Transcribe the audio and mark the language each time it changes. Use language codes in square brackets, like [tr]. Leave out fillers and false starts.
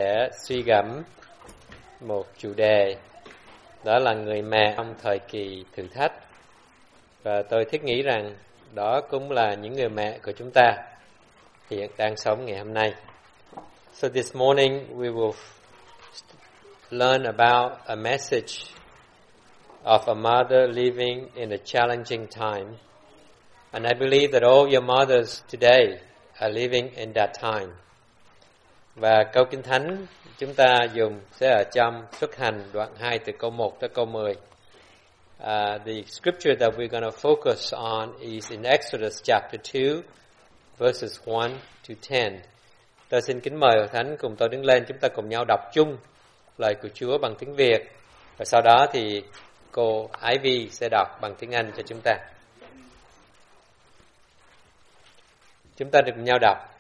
[vi] sẽ suy gẫm một chủ đề, đó là người mẹ trong thời kỳ thử thách. Và tôi thiết nghĩ rằng đó cũng là những người mẹ của chúng ta hiện đang sống ngày hôm nay. [en] So this morning we will learn about a message of a mother living in a challenging time. And I believe that all your mothers today are living in that time. [vi] Và câu kinh thánh chúng ta dùng sẽ ở trong Xuất Hành đoạn 2 từ câu 1 tới câu 10. [en] The scripture that we're going to focus on is in Exodus chapter 2, verses 1 to 10. [vi] Tôi xin kính mời Thánh cùng tôi đứng lên, chúng ta cùng nhau đọc chung lời của Chúa bằng tiếng Việt. Và sau đó thì cô Ivy sẽ đọc bằng tiếng Anh cho chúng ta. Chúng ta được cùng nhau đọc.